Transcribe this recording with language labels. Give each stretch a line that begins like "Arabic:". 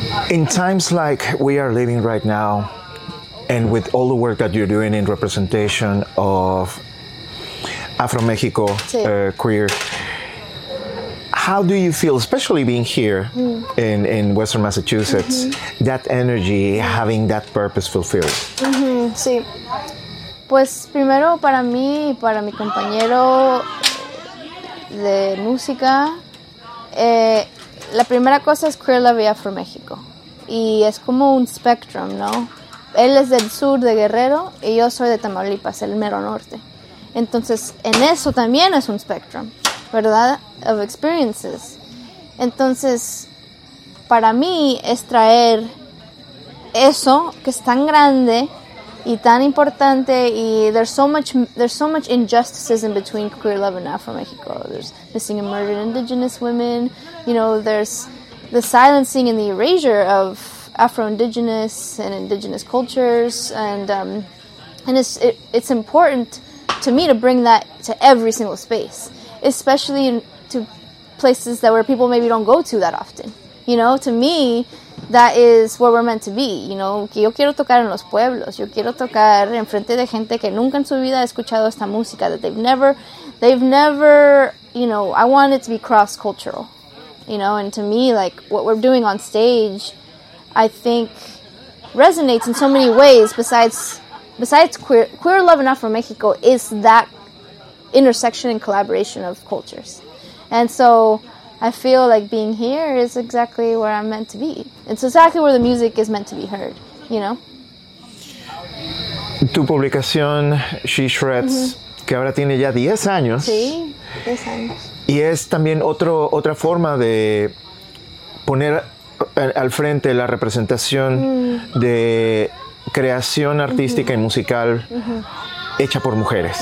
English: In times like we are living right now, and with all the work that you're doing in representation of Afro-México queer, how do you feel, especially being here in Western Massachusetts, that energy, having that purpose fulfilled?
Spanish: Sí. Pues primero para mí y para mi compañero de música, la primera cosa es Queer Love y Afro-México. Y es como un spectrum, ¿no? Él es del sur de Guerrero y yo soy de Tamaulipas, el mero norte. Entonces, en eso también es un spectrum, ¿verdad?
English: Of experiences.
Spanish: Entonces, para mí es traer eso que es tan grande y tan importante, y
English: there's so much injustices in between Queer Love and Afro-México. There's missing and murdered indigenous women, you know, there's the silencing and the erasure of Afro-Indigenous and Indigenous cultures, and it's important to me to bring that to every single space, especially to places that where people maybe don't go to that often. You know, to me, that is where we're meant to be. You know,
Spanish: que yo quiero tocar en los pueblos. Yo quiero tocar en frente de gente que nunca en su vida ha escuchado esta música.
English: That they've never, you know. I want it to be cross-cultural. You know, and to me, like, what we're doing on stage, I think, resonates in so many ways besides queer love and Afro-México is that intersection and collaboration of cultures. And so I feel like being here is exactly where I'm meant to be. It's exactly where the music is meant to be heard, you know?
Spanish: Tu publicación, She Shreds, que ahora tiene ya 10 años. Sí, 10 años. Y es también otra forma de poner al frente la representación de creación artística y musical hecha por mujeres.